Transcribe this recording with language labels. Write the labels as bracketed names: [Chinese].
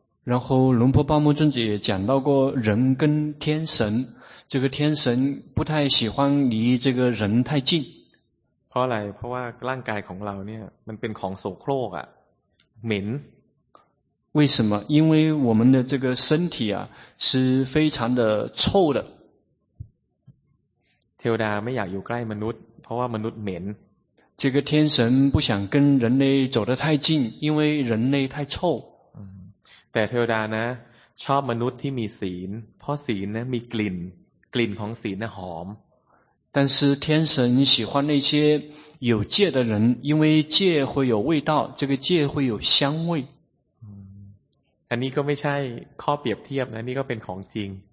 [Chinese] 然后龙婆巴木尊者也讲到过人跟天神这个天神不太喜欢离这个人太近 [Thai] เพราะอะไรเพราะว่าร่างกายของเราเนี่ยมันเป็นของโสโครกอะเหม็น [Chinese] 为什么因为我们的这个身体啊是非常的臭的 [Thai] เทวดาไม่อยากอยู่ใกล้มนุษย์เพราะว่ามนุษย์เหม็น [Chinese] 这个天神不想跟人类走得太近因为人类太臭 [Thai] แต่เทวดานะชอบมนุษย์ที่มีศีลเพราะศีลนะมีกลิ่นกลิ่นของศีลนะหอม [Chinese] 但是天神喜欢那些有戒的人因为戒会有味道这个戒会有香味 [Thai] อันนี้ก็ไม่ใช่ข้อเปรียบเทียบนะนี่ก็เป็นของจริง